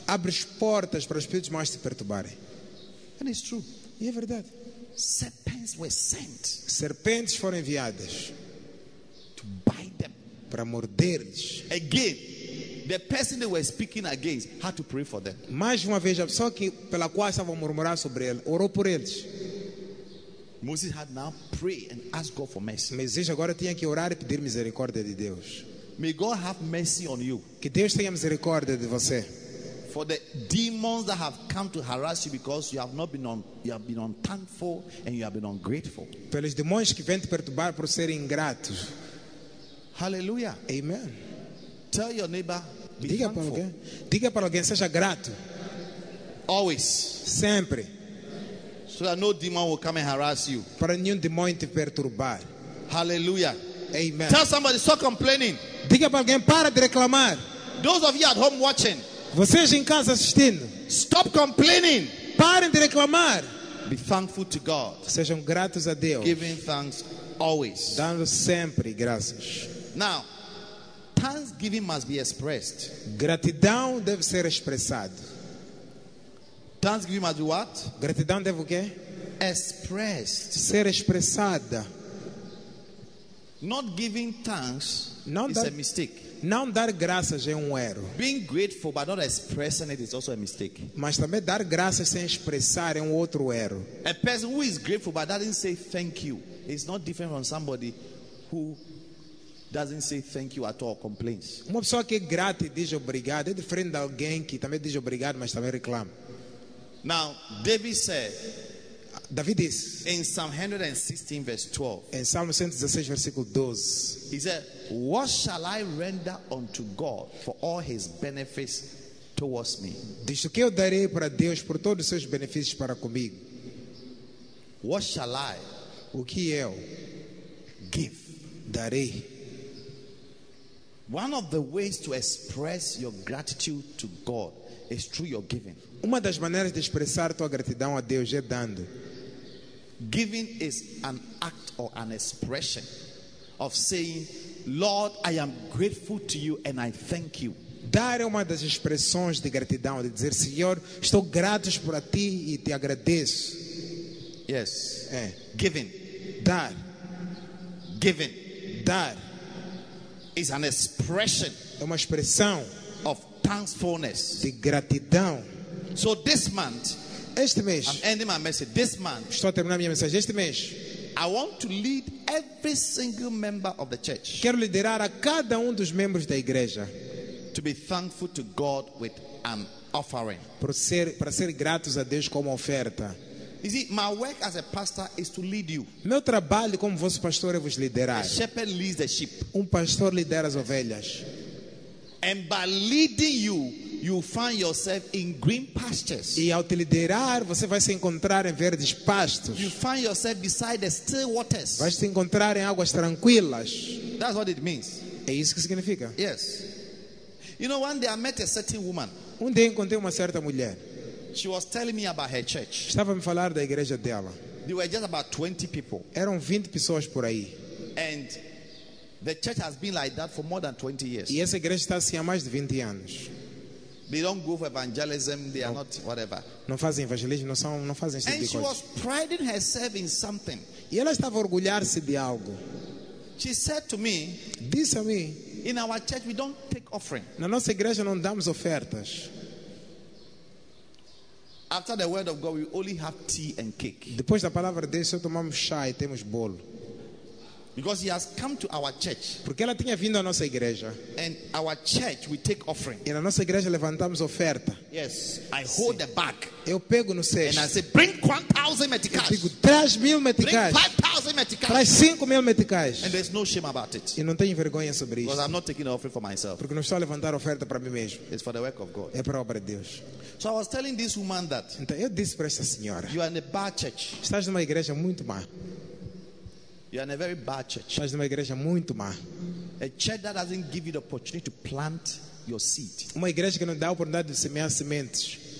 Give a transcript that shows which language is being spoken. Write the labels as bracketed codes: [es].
[pt] Abres portas para os espíritos maus te perturbarem. [en] And it's true. [pt] E é verdade. [en] Serpents were sent. [pt] Serpentes foram enviadas [en] to bite them. [pt] Para morder-lhes. [en] Again. The person they were speaking against had to pray for them. [pt] Mais uma vez, a pessoa que pela qual estavam a murmurar sobre ele, orou por eles. [en] Moses had now pray and ask God for mercy. [pt] Moisés agora tinha que orar e pedir misericórdia de Deus. [en] May God have mercy on you. [pt] Que Deus tenha misericórdia de você. [en] For the demons that have come to harass you because you have not been on, you have been unthankful and you have been ungrateful. [pt] Pelos demônios que vêm te perturbar por serem ingratos. [en] Hallelujah. Amen. Tell your neighbor, be [pt] diga [en] thankful. [pt] Para alguém, diga para alguém, seja grato. [en] Always. [pt] Sempre. [en] So that no demon will come and harass you. [pt] Para nenhum demônio te perturbar. [en] Hallelujah. Amen. Tell somebody, stop complaining. [pt] Diga para alguém, para de reclamar. [en] Those of you at home watching. [pt] Vocês em casa assistindo. [en] Stop complaining. [pt] Parem de reclamar. [en] Be thankful to God. [pt] Sejam gratos a Deus. [en] Giving thanks always. [pt] Dando sempre graças. [en] Now, thanksgiving must be expressed. [pt] Gratidão deve ser expressada. [en] Thanksgiving must be what? [pt] Gratidão deve o quê? [en] Expressed. [pt] Ser expressada. [en] Not giving thanks is a mistake. [pt] Não dar graças é erro. [en] Being grateful but not expressing it is also a mistake. [pt] Mas também dar graças sem expressar é outro erro. [en] A person who is grateful but doesn't say thank you is not different from somebody who doesn't say thank you at all, complains. [pt] Uma pessoa que é grata e diz obrigado é diferente de alguém que também diz obrigado, mas também reclama. [en] Now, David said, David is in Psalm 116 verse 12. In Psalm [pt] 116 versículo 12. [en] He said, "What shall I render unto God for all his benefits towards me?" [pt] Diz o que eu darei para Deus por todos os seus benefícios para comigo. [en] What shall I? [pt] O que eu [en] give? [pt] Darei. [en] One of the ways to express your gratitude to God is through your giving. [pt] Uma das maneiras de expressar tua gratidão a Deus é dando. [en] Giving is an act or an expression of saying, "Lord, I am grateful to you and I thank you." [pt] Dar é uma das expressões de gratidão, de dizer, Senhor, estou grato por ti e te agradeço. [en] Yes. [pt] É. [en] Giving. [pt] Dar. [en] Giving. [pt] Dar. [en] Is an expression. [pt] É uma expressão [en] of thankfulness. [pt] De gratidão. [en] So this month. [pt] Este mês, [en] I'm ending my message. This month, [pt] estou a terminar minha mensagem. Este mês, [en] I want to lead every single member of the church. [pt] Quero liderar a cada dos membros da igreja. [en] To be thankful to God with an offering. [pt] Para ser gratos a Deus com uma oferta. [en] You see, my work as a pastor is to lead you. [pt] Meu trabalho como vosso pastor é vos liderar. [en] A shepherd leads the sheep. [pt] Pastor lidera as ovelhas. [en] And by leading you, you find yourself in green pastures. [pt] E ao te liderar, você vai se encontrar em verdes pastos. [en] You find yourself beside the still waters. [pt] Vai se encontrar em águas tranquilas. [en] That's what it means. [pt] É isso que significa. [en] Yes. You know, one day I met a certain woman. [pt] Dia encontrei uma certa mulher. [en] She was telling me about her church. [pt] Estava a me falar da igreja dela. [en] There were just about 20 people. [pt] Eram 20 pessoas por aí. [en] And the church has been like that for more than 20 years. [pt] E essa igreja está assim há mais de 20 anos. [en] They don't go for evangelism. They are not whatever. [pt] Não fazem evangelismo, não fazem [en] And she was priding herself in something. [pt] E ela estava a orgulhar-se de algo. [en] She said to me, [pt] disse a mim, [en] in our church we don't take offering. [pt] Na nossa igreja não damos ofertas. [en] After the word of God, we only have tea and cake. [pt] Depois da palavra de Deus, só tomamos chá e temos bolo. [en] Because he has come to our church. [pt] Porque ela tinha vindo à nossa igreja. [en] And our church, we take offering. [pt] E na nossa igreja levantamos oferta. [en] Yes, I hold the bag. [pt] Eu pego no cesto. [en] And I say, bring 1,000 meticais. [pt] Eu digo, traz 1,000 meticais. [en] Bring 5,000 meticais. [pt] Traz 5,000 meticais. [en] And there's no shame about it. [pt] E não tenho vergonha sobre isso. [en] Because I'm not taking the offering for myself. [pt] Porque não estou a levantar oferta para mim mesmo. [en] It's for the work of God. [pt] É para a obra de Deus. [en] So I was telling this woman that. [pt] Então eu disse para esta senhora. [en] You are in a bad church. [pt] Estás numa igreja muito má. [en] You are in a very bad church. [pt] Estás numa igreja muito má. [en] A church that doesn't give you the opportunity to plant your seed. [pt] Uma igreja que não dá a oportunidade de semear sementes.